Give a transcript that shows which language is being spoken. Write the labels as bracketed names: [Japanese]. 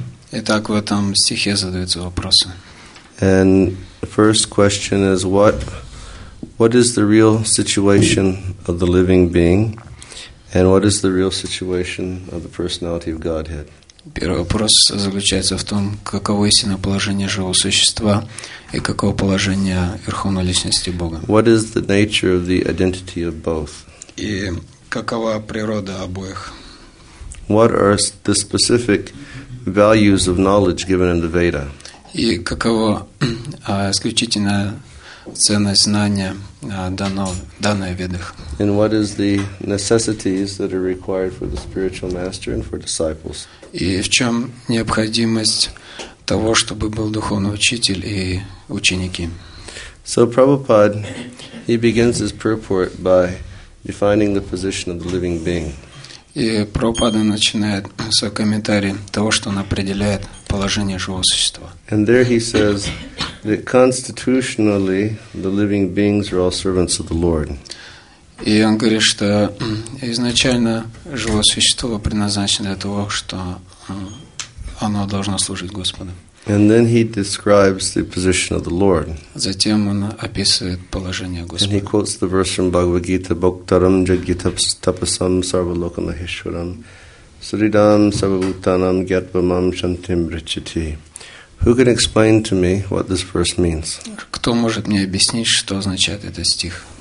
[Russian] Итак, в этом стихе задаются вопросы. [English] And the first question is what is the real situation of the living being and what is the real situation of the personality of Godhead? [Russian] Первый вопрос заключается в том, каково истинное положение живого существа и каково положение Верховной Личности Бога. [English] What is the nature of the identity of both? [Russian] И какова природа обоих? [English] What are the specific values of knowledge given in the Veda? [Russian] И какова исключительная ценность знания данной в Ведах? [English] And what is the necessities that are required for the spiritual master and for disciples? [Russian] И в чем необходимость того, чтобы был духовный учитель и ученики? [English] So Prabhupada, he begins his purport by defining the position of the living being. [Russian] И Прабхупада начинает свой комментарий того, что он определяет положение живого существа. [English] And there he says that constitutionally the living beings are all servants of the Lord. [Russian] И он говорит, что изначально живое существо предназначено для того, что оно должно служить Господу. [English] And then he describes the position of the Lord. [Russian] Затем он описывает положение Господа. [English] And he quotes the verse from Bhagavad Gita, [Sanskrit] Bhoktaram Jagitaps Tapasam Sarvalokamaheshwaram Sridam Sarvabhutanam Gyatvamam Shantim Vrichati. [English] Who can explain to me what this verse means? [Russian] Кто может мне объяснить, что означает этот стих?